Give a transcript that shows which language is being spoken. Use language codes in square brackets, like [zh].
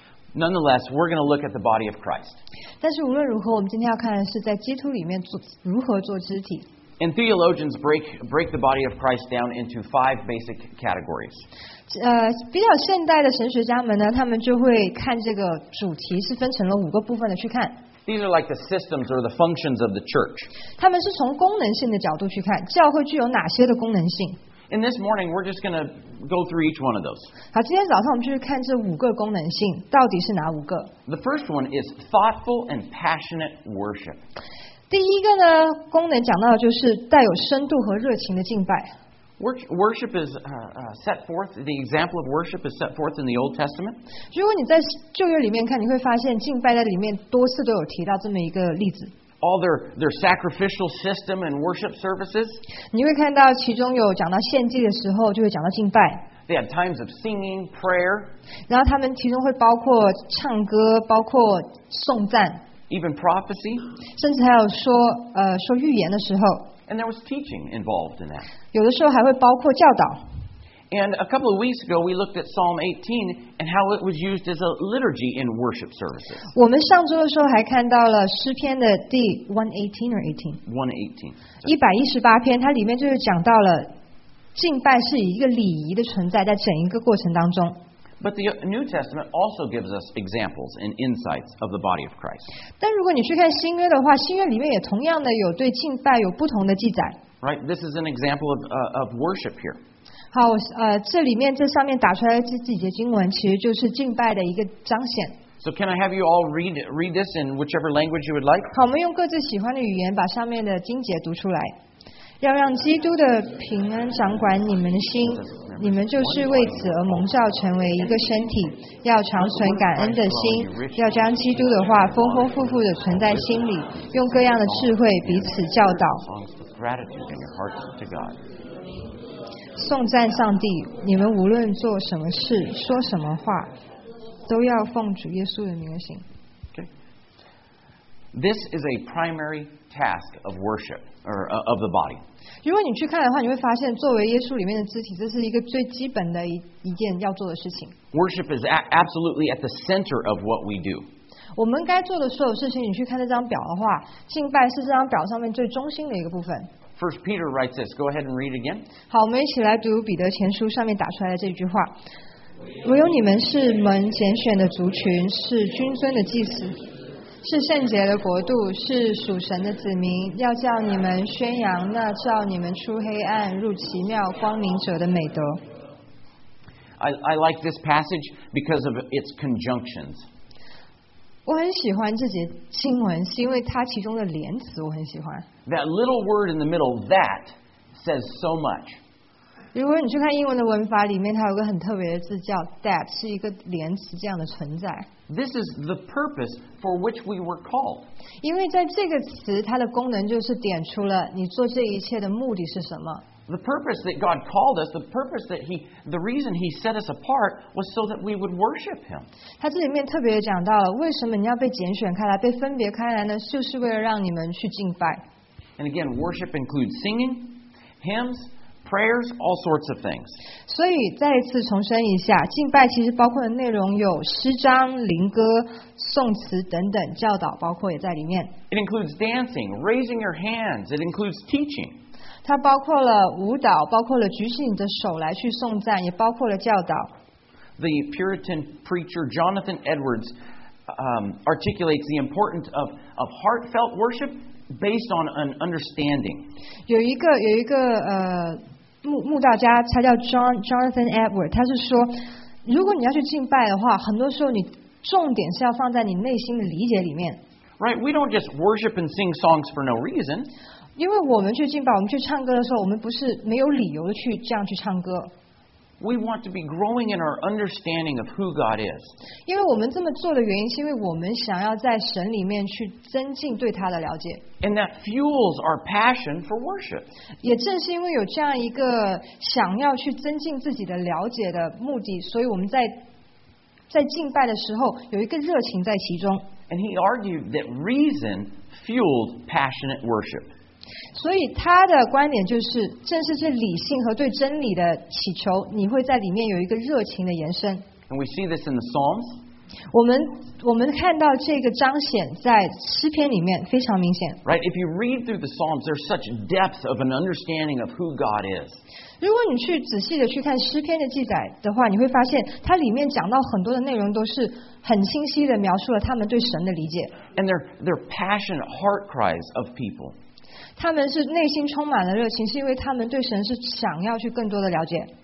[en] Nonetheless, we're going to look at the body of Christ. [zh] 但是无论如何，我们今天要看的是在基督里面如何做肢体。 [en] And theologians break the body of Christ down into five basic categories. [zh] 比较现代的神学家们呢，他们就会看这个主题是分成了五个部分的去看。 [en] These are like the systems or the functions of the church. [zh] 他们是从功能性的角度去看，教会具有哪些的功能性。 [en] And this morning, we're just going to go through each one of those. [zh] 好，今天早上我们就去看这五个功能性，到底是哪五个。 [en] The first one is thoughtful and passionate worship. [zh] 第一个呢，功能讲到的就是带有深度和热情的敬拜。 [en] Worship is set forth. The example of worship is set forth in the Old Testament. [zh] 如果你在旧约里面看，你会发现敬拜在里面多次都有提到这么一个例子。 [en] All their sacrificial system and worship services. [zh] 你会看到其中有讲到献祭的时候，就会讲到敬拜。 [en] They had times of singing, prayer. [zh] 然后他们其中会包括唱歌，包括颂赞。 [en] Even prophecy. [zh] 甚至还有说说预言的时候。 [en] And there was teaching involved in that. [zh] 有的时候还会包括教导。 [en] And a couple of weeks ago, we looked at Psalm 18 and how it was used as a liturgy in worship services. [zh] 我们上周的时候还看到了诗篇的第118 [en] or 18? 118. [zh] 118篇，它里面就是讲到了敬拜是以一个礼仪的存在，在整一个过程当中。 [en] But the New Testament also gives us examples and insights of the body of Christ. [zh] 但如果你去看新约的话，新约里面也同样的有对敬拜有不同的记载。 [en] Right, this is an example of worship here. [zh] 好，这里面这上面打出来的这几节经文，其实就是敬拜的一个彰显。 [en] So can I have you all read this in whichever language you would like? [zh] 好，我们用各自喜欢的语言把上面的经节读出来。要让基督的平安掌管你们的心，你们就是为此而蒙召成为一个身体，要常存感恩的心，要将基督的话丰丰富富的存在心里，用各样的智慧彼此教导，颂赞上帝。你们无论做什么事，说什么话，都要奉主耶稣的名行。 [en] This is a primary task of worship or of the body. [zh] 如果你去看的话，你会发现作为耶稣里面的肢体，这是一个最基本的一件要做的事情。 [en] Worship is absolutely at the center of what we do. [zh] 我们该做的所有事情，你去看这张表的话，敬拜是这张表上面最中心的一个部分。 [en] First Peter writes this. Go ahead and read again. [zh] 好，我们一起来读彼得前书上面打出来的这句话。唯有你们是蒙拣选的族群，是君尊的祭司。是圣洁的国度，是属神的子民，要叫你们宣扬那叫你们出黑暗入奇妙光明者的美德。 [en] I like this passage because of its conjunctions. [zh] 我很喜欢这节经文，是因为它其中的连词我很喜欢。 [en] That little word in the middle, that, says so much. [zh] 如果你去看英文的文法里面，它有个很特别的字叫 that， 是一个连词这样的存在。 [en] This is the purpose for which we were called. [zh] 因为在这个词，它的功能就是点出了你做这一切的目的是什么。 [en] The purpose that God called us, the reason He set us apart was so that we would worship Him. [zh] 它这里面特别讲到了，为什么你要被拣选开来，被分别开来呢？就是为了让你们去敬拜。 [en] And again, worship includes singing, hymns, prayers, all sorts of things. [zh] 所以再一次重申一下，敬拜其实包括的内容有诗章、灵歌、颂词等等，教导包括也在里面。 [en] It includes dancing, raising your hands. It includes teaching. [zh] 它包括了舞蹈，包括了举起你的手来去颂赞，也包括了教导。 [en] The Puritan preacher Jonathan Edwards articulates the importance of heartfelt worship. Based on an understanding. [zh] 有一个牧道家，他叫 Jonathan Edwards， 他是说，如果你要去敬拜的话，很多时候你重点是要放在你内心的理解里面。 [en] Right, we don't just worship and sing songs for no reason. [zh] 因为我们去敬拜，我们去唱歌的时候，我们不是没有理由的去这样去唱歌。 [en] We want to be growing in our understanding of who God is. [zh] 因为我们这么做的原因，是因为我们想要在神里面去增进对他的了解。 [en] And that fuels our passion for worship. [zh] 也正是因为有这样一个想要去增进自己的了解的目的，所以我们在敬拜的时候有一个热情在其中。 [en] And he argued that reason fueled passionate worship. [zh] 所以他的观点就是，正是这理性和对真理的祈求，你会在里面有一个热情的延伸。 [en] And we see this in the Psalms. [zh] 我们看到这个彰显在诗篇里面非常明显。 [en] Right, if you read through the Psalms, there's such depth of an understanding of who God is. [zh] 如果你去仔细的去看诗篇的记载的话，你会发现它里面讲到很多的内容都是很清晰的描述了他们对神的理解。 [en] And they're passionate heart cries of people. [zh] 他们是内心充满了热情，是因为他们对神是想要去更多的了解。